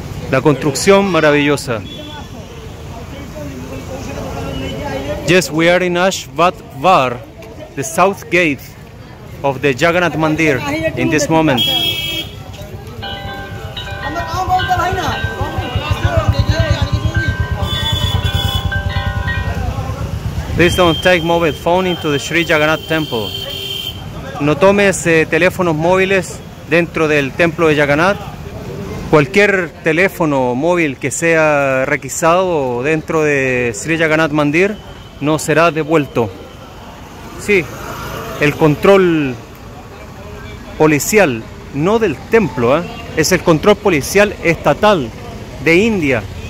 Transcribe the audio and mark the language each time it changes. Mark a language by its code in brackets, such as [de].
[es] La construcción maravillosa. [en] Yes, we are in Ashvat Var, the south gate of the Jagannath Mandir in this moment. Please don't take mobile phone into the Sri Jagannath temple. [es] No tomes teléfonos móviles dentro del templo de Jagannath. Cualquier teléfono móvil que sea requisado dentro de Sri Jagannath Mandir no será devuelto. Sí, el control policial, no del templo, es el control policial estatal de India.